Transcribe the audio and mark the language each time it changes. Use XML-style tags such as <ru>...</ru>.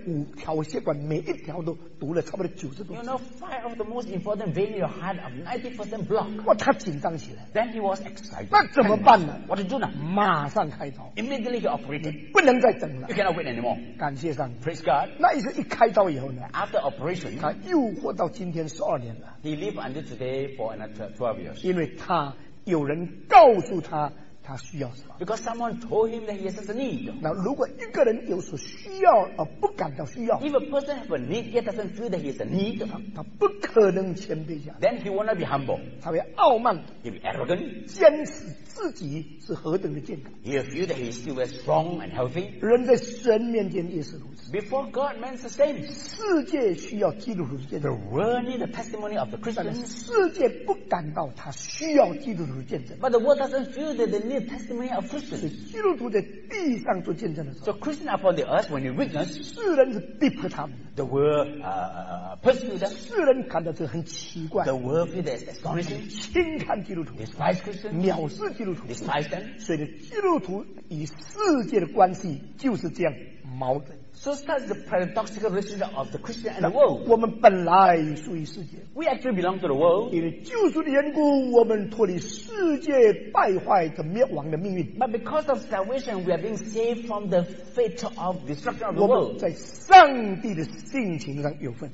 <zh>他说你知道你的心脏最重要的五条血管，每一条都堵了差不多90%。</zh> <en>You know, five of the most important veins in your heart are 90% blocked.</en> <zh>哇，他紧张起来。</zh> <en>Then he was excited.</en> <zh>那怎么办呢？</zh> <en>What to do now?</en> <zh>马上开刀。</zh> <en>Immediately he operated.</en> <zh>不能再等了。</zh> <en>You cannot wait anymore.</en> <zh>感谢上帝。</zh> <en>Praise God.</en> <zh>那医生一开刀以后呢？</zh> <en>After operation,</en> <zh>他又活到今天12年了。</zh> <en>He lived until today for another 12 years.</en> <zh>因为他有人告诉他，他需要什么。</zh> <en>Because someone told him that he has a need.</en> <zh>那如果一个人有所需要而不感到需要，</zh> <en>If a person have a need yet doesn't feel that he has a need,</en> <zh>他不可能谦卑下来。</zh> <en>Then he will not be humble.</en> <zh>他会傲慢。</zh> <en>He will be arrogant.</en> <zh>坚持。自己是何等的健康。</zh> <en>He feels that he is still strong and healthy.</en> <zh>人在神面前也是如此。</zh> <en>Before God, man is the same.</en> <zh>世界需要基督徒的见证。</zh> <en>The world needs the testimony of the Christians.</en> <zh>世界不感到他需要基督徒的见证。</zh> <en>But the world doesn't feel that they need testimony of Christians.</en> <zh>基督徒在地上做见证的时候。</zh> <en>So Christians upon the earth when you witness.</en> <zh>世人是逼迫他们。</zh> <en>The world persecutes them.</en> <zh>世人看到这很奇怪。</zh> <en>The world feels that it's astonishing.</en> <zh>轻看基督徒。</zh> <en>Despise Christians.</en> <zh>藐视。基督徒，所以基督徒与世界的关系就是这样矛盾。</zh> <en>So that's the paradoxical relationship of the Christian and the world.</en> <zh>我们本来属于世界。</zh> <en>We actually belong to the world.</en> <zh>因为救赎的缘故，我们脱离世界败坏的灭亡的命运。</zh> <en>But because of salvation, we are being saved from the fate of destruction of the world.</en> <zh>我们在上帝的性情上有份。</zh>